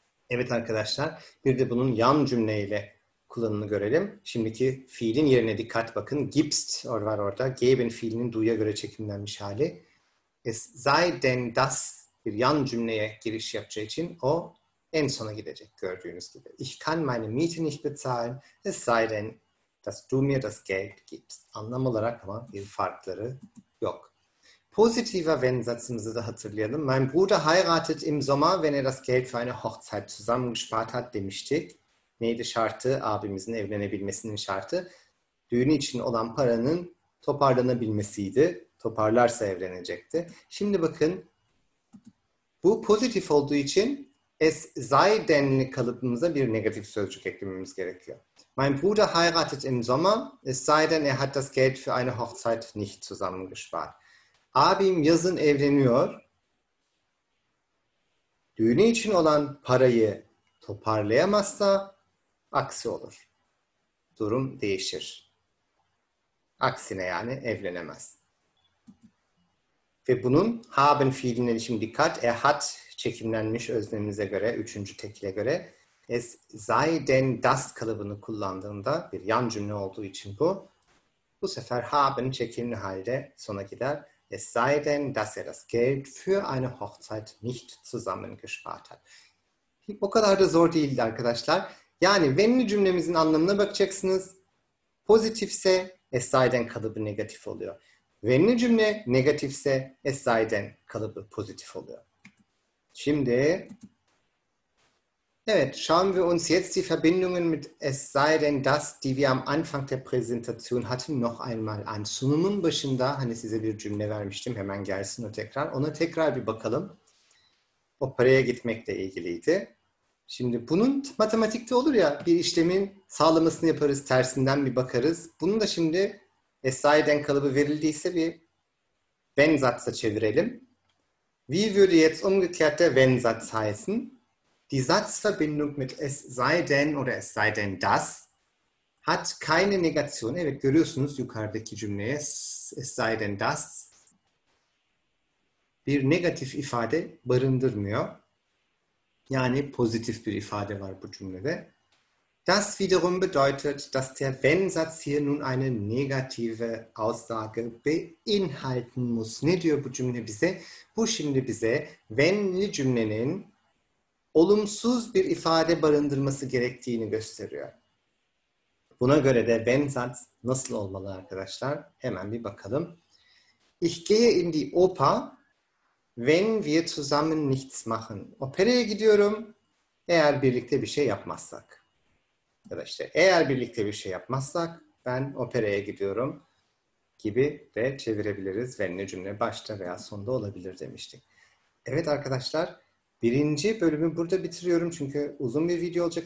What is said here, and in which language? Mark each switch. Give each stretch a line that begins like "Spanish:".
Turkish: Evet arkadaşlar, bir de bunun yan cümleyle kullanımını görelim. Şimdiki fiilin yerine dikkat bakın. Gibst or var orada. Geben fiilinin duya göre çekimlenmiş hali.
German: Es sei denn das
Turkish: bir yan cümleye giriş yapacağı için o en sona gidecek gördüğünüz gibi.
German: Ich kann meine Miete nicht bezahlen. Es sei denn, dass du mir das Geld gibst.
Turkish: Anlam olarak ama bir farkları yok. Positiver Wenn-Satzımızı da hatırlayalım.
German: Mein Bruder heiratet im Sommer, wenn er das Geld für eine Hochzeit zusammengespart hat
Turkish: demiştik. Neydi şartı? Abimizin evlenebilmesinin şartı. Düğün için olan paranın toparlanabilmesiydi. Toparlarsa evlenecekti. Şimdi bakın, bu pozitif olduğu için es sei denn'li kalıbımıza bir negatif sözcük eklememiz gerekiyor.
German: Mein Bruder heiratet im Sommer, es sei denn, er hat das Geld für eine Hochzeit nicht zusammengespart.
Turkish: Abim yazın evleniyor. Düğünü için olan parayı toparlayamazsa aksi olur. Durum değişir. Aksine yani evlenemez. Ve bunun haben fiilinden şimdi dikkat. Er hat çekimlenmiş öznemize göre, üçüncü tekile göre. Es sei denn das kalıbını kullandığında bir yan cümle olduğu için bu sefer haben çekimli halde sona gider.
German: Es sei denn, dass er das Geld für eine Hochzeit nicht zusammengespart hat.
Turkish: O kadar da zor değildi arkadaşlar. Yani wenn'li cümlemizin anlamına bakacaksınız. Pozitifse es sei denn kalıbı negatif oluyor. Wenn'li cümle negatifse es sei denn kalıbı pozitif oluyor. Şimdi evet,
German: schauen wir uns jetzt die Verbindungen mit es sei denn das, die wir am Anfang der Präsentation hatten, noch einmal an.
Turkish: Sunumun başında hani size bir cümle vermiştim, hemen gelsin o tekrar. Ona tekrar bir bakalım. O paraya gitmekle ilgiliydi. Şimdi bunun matematikte olur ya, bir işlemin sağlamasını yaparız, tersinden bir bakarız. Bunu da şimdi es sei denn kalıbı verildiyse bir wenn satsa çevirelim.
German: Wie würde jetzt umgekehrt der wenn Satz heißen? Die Satzverbindung mit es sei denn oder es sei denn das hat keine Negation.
Turkish: Evet görüyorsunuz yukarıdaki cümleye es sei denn das bir negatif ifade barındırmıyor. Yani pozitif bir ifade var bu cümlede.
German: Das wiederum bedeutet, dass der Wenn-Satz hier nun eine negative Aussage beinhalten muss.
Turkish: Ne diyor bu cümle bize? Bu şimdi bize wenn'li cümlenin olumsuz bir ifade barındırması gerektiğini gösteriyor. Buna göre de Wenn-Satz nasıl olmalı arkadaşlar? Hemen bir bakalım.
German: Ich gehe in die Oper, wenn wir zusammen nichts machen.
Turkish: Operaya gidiyorum, eğer birlikte bir şey yapmazsak. Ya da işte eğer birlikte bir şey yapmazsak ben operaya gidiyorum gibi de çevirebiliriz. Wenn'li cümle başta veya sonda olabilir demiştik. Evet arkadaşlar, birinci bölümü burada bitiriyorum çünkü uzun bir video olacak.